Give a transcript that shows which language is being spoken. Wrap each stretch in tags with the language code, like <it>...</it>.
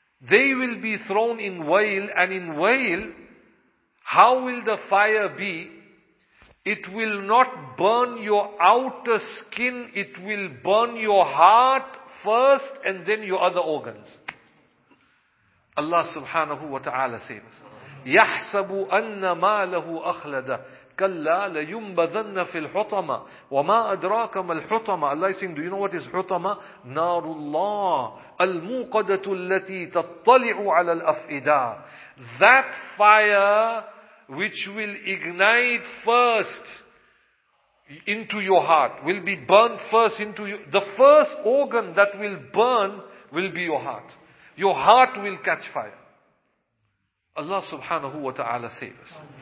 <en>They will be thrown in Wail, and in Wail, how will the fire be? It will not burn your outer skin, it will burn your heart first and then your other organs.</en> <ar>Allah subhanahu wa ta'ala says, يَحْسَبُ أَنَّ مَالَهُ أَخْلَدَهُ كَلَّا لَيُنْبَذَنَّ فِي الْحُطَمَةِ وَمَا أَدْرَاكَ مَا الْحُطَمَةِ.</ar> <en>Allah is saying, do you know what is hutama?</en> <ar>نار الله الموقدة التي تطلع على الأفئدة.</ar> <en>That fire which will ignite first into your heart, will be burned first into you. The first organ that will burn will be your heart. Your heart will catch fire. Allah subhanahu wa ta'ala save us.</en>